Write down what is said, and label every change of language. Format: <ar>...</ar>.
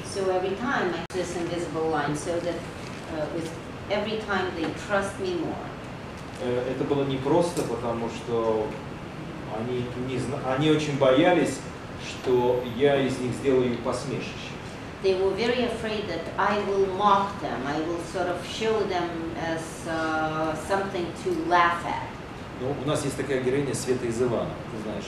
<en>So every time I cross this invisible line, so that with every time they trust me more.</en> <ru>Это было не просто, потому что они не они очень боялись, что я из них сделаю посмешище.</ru> <en>They were very afraid that I will mock them. I will sort of show them as something to laugh at.</en> <ru>Ну, у нас есть такая героиня Света из Ивана, ты знаешь.</ru>